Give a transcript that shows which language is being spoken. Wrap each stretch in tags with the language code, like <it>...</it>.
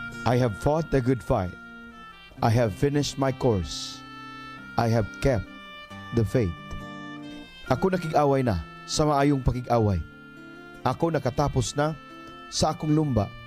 <en>I have fought the good fight. I have finished my course. I have kept the faith.</en> <ceb>Ako nakig-away na sa maayong pakig-away. Ako nakatapos na sa akong lumba.</ceb>